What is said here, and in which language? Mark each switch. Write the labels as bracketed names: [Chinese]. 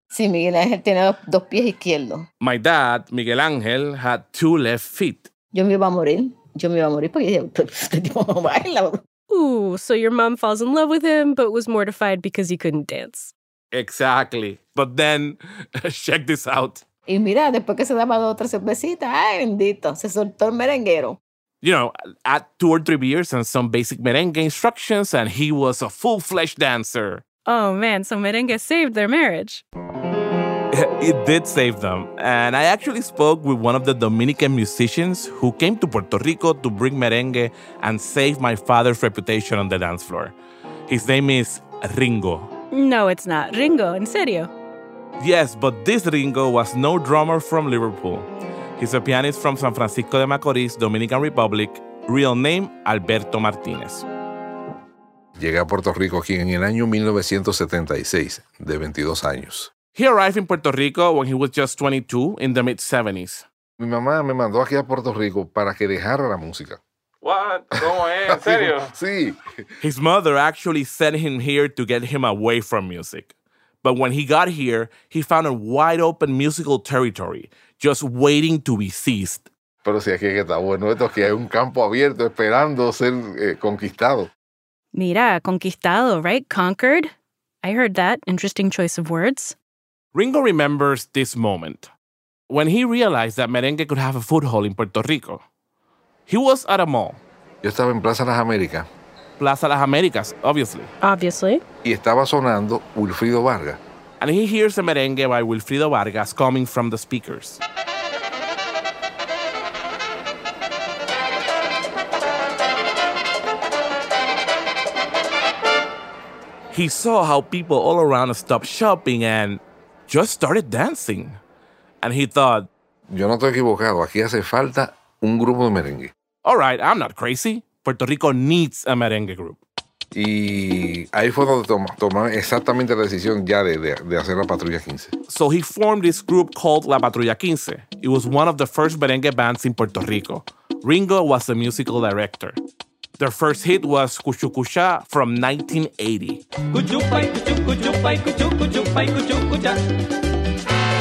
[Spanish] sí, Miguel Ángel tiene dos pies izquierdos. [English] My dad, Miguel Ángel, had two left feet. [Spanish] Yo me iba a morir. Yo me iba a morir porque este tipo no baila. [English] Ooh, so your mom falls in love with him, but was mortified because he couldn't dance. Exactly. But then, check this out. [Spanish] Y mira, después que se daba otra cervecita, ay, bendito, se soltó el merenguero. [English] You know, at 2 or 3 beers and some basic merengue instructions, and he was a full-fledged dancer. Oh, man, so merengue saved their marriage. It did save them. And I actually spoke with one of the Dominican musicians who came to Puerto Rico to bring merengue and save my father's reputation on the dance floor. His name is Ringo. No, it's not. Ringo, [Spanish] en serio. [English] Yes, but this Ringo was no drummer from Liverpool. He's a pianist from San Francisco de Macorís, Dominican Republic. Real name, Alberto Martínez. [Spanish] Llegué a Puerto Rico aquí en el año 1976, de 22 años. [English] He arrived in Puerto Rico when he was just 22, in the mid-70s. [Spanish] Mi mamá me mandó aquí a Puerto Rico para que dejara la música. [English] What? [Spanish] ¿Cómo es? ¿En serio? Sí. [English] His mother actually sent him here to get him away from music. But when he got here, he found a wide-open musical territory, just waiting to be seized. [Spanish] Pero si aquí es que está bueno, esto es que hay un campo abierto esperando ser conquistado. Mira, conquistado, [English] right? Conquered? I heard that. Interesting choice of words. Ringo remembers this moment when he realized that merengue could have a foothold in Puerto Rico. He was at a mall. [Spanish] Yo estaba en Plaza Las Américas. [English] Plaza Las Américas, obviously. Obviously. [Spanish] Y estaba sonando Wilfrido Vargas. [English] And he hears the merengue by Wilfrido Vargas coming from the speakers. He saw how people all around stopped shopping and just started dancing. And he thought, [Spanish] yo no estoy equivocado. Aquí hace falta un grupo de merengue. [English] All right, I'm not crazy. Puerto Rico needs a merengue group. [Spanish] Y ahí fue donde tomó exactamente la decisión ya de hacer La Patrulla 15. [English] So he formed this group called La Patrulla 15. It was one of the first merengue bands in Puerto Rico. Ringo was the musical director. Their first hit was Cuchucucha from 1980. Cuchupay, cuchucucha, cuchucucha, cuchucucha.